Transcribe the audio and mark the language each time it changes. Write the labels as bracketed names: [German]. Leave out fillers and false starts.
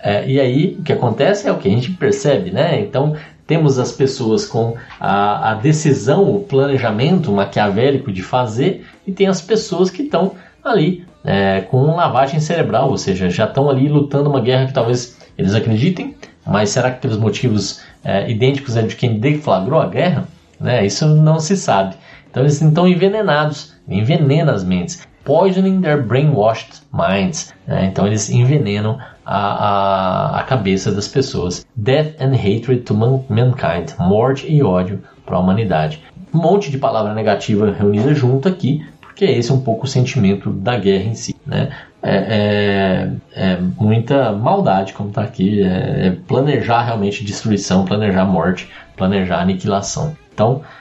[Portuguese] E aí, o que acontece é o que a gente percebe, né? Então, temos as pessoas com a decisão, o planejamento maquiavélico de fazer, e tem as pessoas que estão ali, com lavagem cerebral, ou seja, já estão ali lutando uma guerra que talvez eles acreditem, mas será que pelos motivos idênticos é de quem deflagrou a guerra? Né? Isso não se sabe. Então, eles estão envenenados, envenenam as mentes. [English] Poisoning their brainwashed minds. [Portuguese] Né? Então eles envenenam a cabeça das pessoas. [English] Death and hatred to mankind. [Portuguese] Morte e ódio para a humanidade. Um monte de palavra negativa reunida junto aqui, porque esse é um pouco o sentimento da guerra em si. Né? É muita maldade, como está aqui. É planejar realmente destruição, planejar morte, planejar aniquilação. Então.